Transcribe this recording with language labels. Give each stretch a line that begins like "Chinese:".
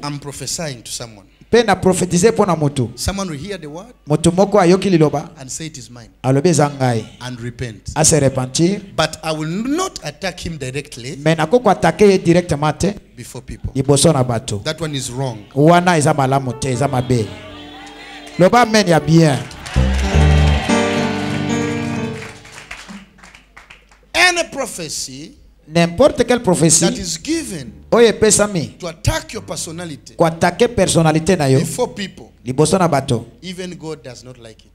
English: I'm prophesying to someone.
Lingala: Pena prophetize pona moto.
English: Someone will hear the word.
Lingala: Moto moko ayoki liloba.
English: And say it is mine.
Lingala: Alobe zangai.
English: And repent.
Lingala: Ase repentir.
English: But I will not attack him directly.
Lingala: Mena koko attaque directement.
English: Before people.
Lingala: Iboso na bato.
English: That one is wrong.
Lingala: Wana isa malamu te isa mabe. Loba men ya bien.
English: Any prophecy.
French: N'importe quelle prophétie
English: that is given to attack your personality, to attack your personality
Lingala: na yo,
English: before people,
Lingala: liboso na bato,
English: even God does not like it.